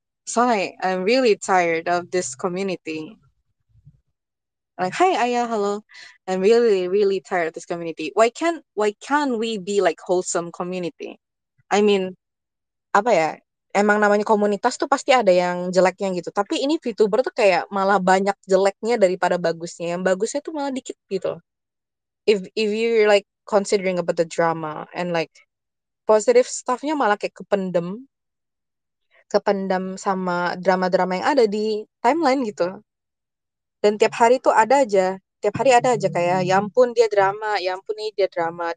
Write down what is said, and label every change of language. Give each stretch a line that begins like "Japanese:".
English: So like, I'm really tired of this community. Like, hi Aya, hello. I'm really, really tired of this community. Why can't we be like wholesome community? I mean,
Indonesian: apa ya? Emang namanya komunitas tuh pasti ada yang jeleknya gitu. Tapi ini VTuber tuh kayak malah banyak jeleknya daripada bagusnya. Yang bagusnya tuh malah dikit gitu.
English: If you're like considering about the drama and like positive stuffnya
Indonesian: malah kayak kependem. Kependam sama drama-drama yang ada di timeline gitu. Dan tiap hari tuh ada aja. Tiap hari ada aja kayak, ya ampun dia drama, ya ampun nih dia drama.